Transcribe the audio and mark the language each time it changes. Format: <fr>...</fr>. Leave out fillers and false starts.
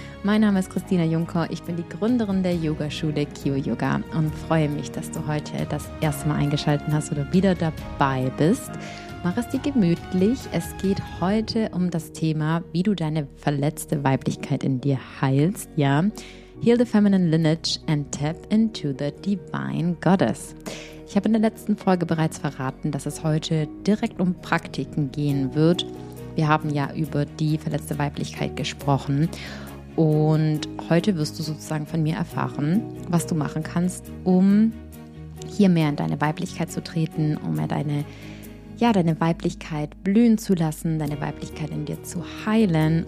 <de>Mein Name ist Christina Juncker, ich bin die Gründerin der Yogaschule Kyo Yoga und freue mich, dass du heute das erste Mal eingeschaltet hast oder wieder dabei bist. Mach es dir gemütlich. Es geht heute um das Thema, wie du deine verletzte Weiblichkeit in dir heilst, ja?</de> <en>Heal the feminine lineage and tap into the divine goddess.</en> <de>Ich habe in der letzten Folge bereits verraten, dass es heute direkt um Praktiken gehen wird. Wir haben ja über die verletzte Weiblichkeit gesprochen und heute wirst du sozusagen von mir erfahren, was du machen kannst, um hier mehr in deine Weiblichkeit zu treten, um mehr deine Weiblichkeit blühen zu lassen, deine Weiblichkeit in dir zu heilen.</de>